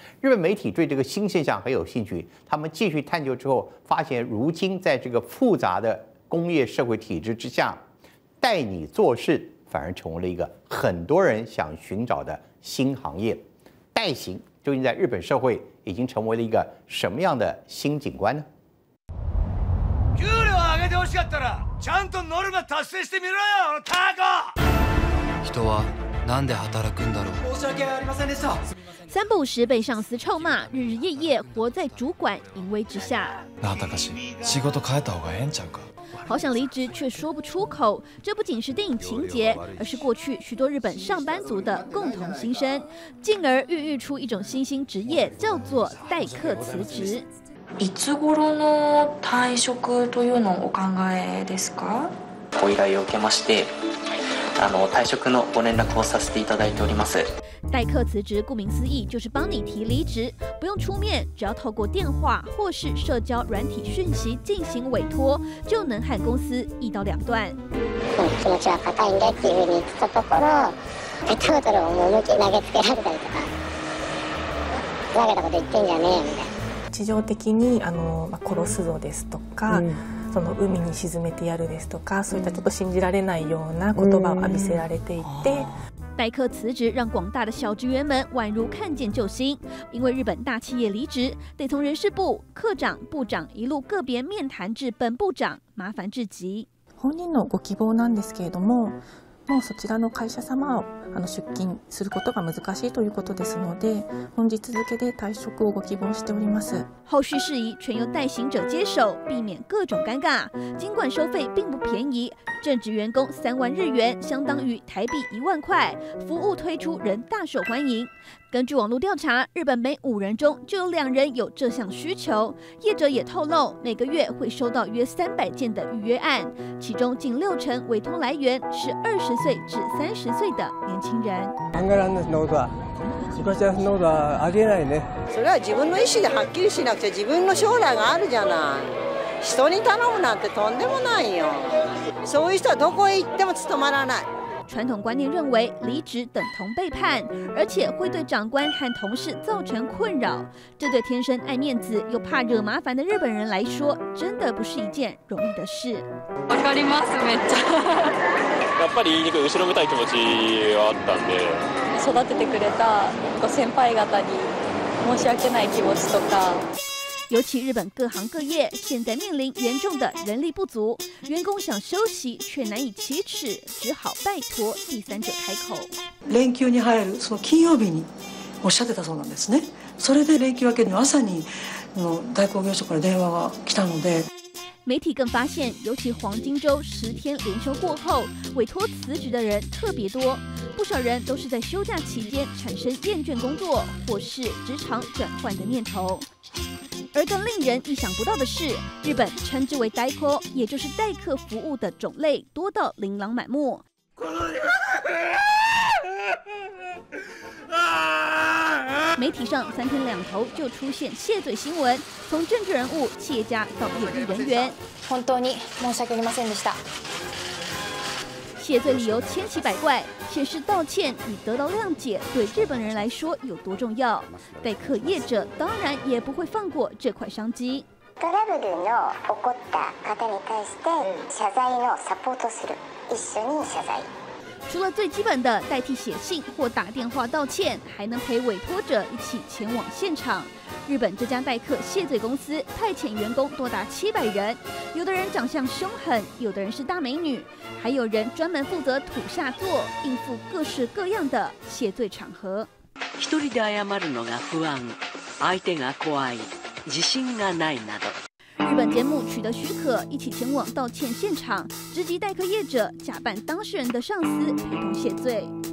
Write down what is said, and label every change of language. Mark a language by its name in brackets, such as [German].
[Chinese] 日本媒体对这个新现象很有兴趣，他们继续探究之后发现，如今在这个复杂的工业社会体制之下，带你做事反而成为了一个很多人想寻找的新行业。带行究竟在日本社会已经成为了一个什么样的新景观呢？ [Japanese] 給料上げてほしかったらちゃんとノルマ達成してみろよ、タコ。人はなんで働くんだろう。申し訳ありませんでした。 [Chinese] 三不五时被上司臭骂，日日夜夜活在主管淫威之下。 [Japanese] 那たかし、仕事変えた方がいいんちゃうか。 [Chinese] 好想离职却说不出口，这不仅是电影情节，而是过去许多日本上班族的共同心声，进而孕育出一种新兴职业，叫做代客辞职。 [Japanese] いつ頃の退職というのをお考えですか？ご依頼を受けまして。退職のご連絡をさせていただいております。 [Chinese] 代客辞职顾名思义就是帮你提离职，不用出面，只要透过电话或是社交软体讯息进行委托，就能和公司一刀两断。 [Japanese] 日常的に殺すぞですとか、うん、その海に沈めてやるですとか、そういったちょっと信じられないような言葉を浴びせられていて。 [Chinese] 代客辞职让广大的小职员们宛如看见救星，因为日本大企业离职得从人事部、科长、部长一路个别面谈至本部长，麻烦至极。 [Japanese] 本人のご希望なんですけれども、もうそちらの会社様を出勤することが難しいということですので、本日付で退職をご希望しております。 [Chinese] 后续事宜全由代行者接手，避免各种尴尬。尽管收费并不便宜，正职员工30,000日元，相当于台币10,000块，服务推出仍大受欢迎。根据网络调查，日本每5人中就有2人有这项需求。业者也透露，每个月会收到约300件的预约案，其中近60%委托来源是20岁至30岁的年轻人。当然了，那个。 [Japanese] 昔はそんなことはありえないね。それは自分の意思ではっきりしなくて、自分の将来があるじゃない。人に頼むなんてとんでもないよ。そういう人はどこへ行っても務まらない。 [Chinese] 传统观念认为离职等同背叛，而且会对长官和同事造成困扰，这对天生爱面子又怕惹麻烦的日本人来说，真的不是一件容易的事。 [Japanese] わかります、めっちゃやっぱり言いにくい、後ろめたい気持ちはあったんで、育ててくれたご先輩方に申し訳ない気持ちとか。 [Chinese] 尤其日本各行各业现在面临严重的人力不足，员工想休息却难以启齿，只好拜托第三者开口。 [Japanese] 連休に入るその金曜日におっしゃってたそうなんですね。それで連休明けの朝に代行業者から電話が来たので。 [Chinese] 媒体更发现，尤其黄金周10天连休过后，委托辞职的人特别多，不少人都是在休假期间产生厌倦工作或是职场转换的念头。而更令人意想不到的是，日本称之为代客，也就是代客服务的种类多到琳琅满目。媒体上3天2头就出现谢罪新闻，从政治人物、企业家到演艺人员。 [Japanese] 本当に申し訳ありませんでした。 [Chinese] 谢罪理由千奇百怪，显示道歉与得到谅解对日本人来说有多重要。代客业者当然也不会放过这块商机。 [Japanese] トラブルの起こった方に対して謝罪のサポートする、一緒に謝罪。 [Chinese] 除了最基本的代替写信或打电话道歉，还能陪委托者一起前往现场。日本这家代客谢罪公司派遣员工多达700人，有的人长相凶狠，有的人是大美女，还有人专门负责土下座，应付各式各样的谢罪场合。 [Japanese] 一人で謝るのが不安、相手が怖い、自信がないなど。 [Chinese] 日本节目取得许可，一起前往道歉现场，直击代客业者假扮当事人的上司，陪同谢罪。